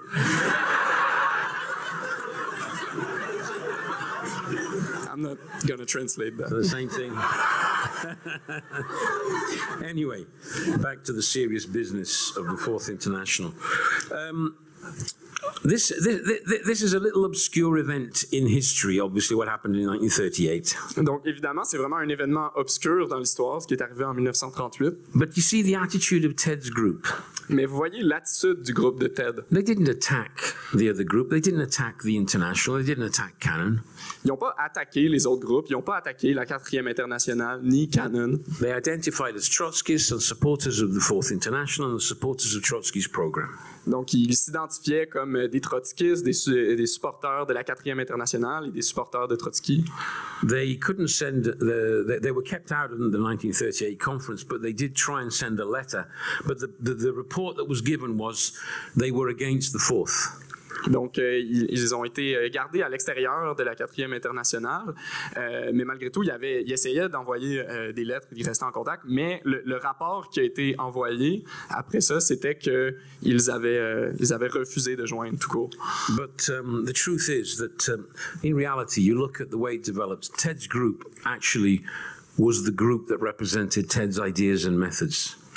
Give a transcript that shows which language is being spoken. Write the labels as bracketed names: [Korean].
[English] I'm not going to translate that. The same thing. Anyway, back to the serious business of the Fourth International. This is a little obscure event in history, obviously, what happened in 1938. [French] Donc, évidemment, c'est vraiment un événement obscur dans l'histoire, ce qui est arrivé en 1938. [English] But you see the attitude of Ted's group. [French] Mais vous voyez l'attitude du groupe de Ted. [English] They didn't attack the other group. They didn't attack the International. They didn't attack Canon. [French] Ils n'ont pas attaqué les autres groupes. Ils n'ont pas attaqué la 4e Internationale ni Canon. [English] They identified as Trotskyists and supporters of the 4th International and the supporters of Trotsky's program. [French] Donc, ils s'identifiaient comme des Trotskyistes, des supporters de la 4e Internationale et des supporters de Trotsky. [English] They couldn't send they were kept out of the 1938 conference, but they did try and send a letter. But the report that was given was they were against the 4th. [French] Donc, ils ont été gardés à l'extérieur de la 4e Internationale, mais malgré tout, ils essayaient d'envoyer des lettres, ils restaient en contact, mais le rapport qui a été envoyé après ça, c'était qu'ils avaient refusé de joindre, tout court. [English] But the truth is that, in reality, you look at the way it developed, Ted's group actually was the group that represented Ted's ideas and methods.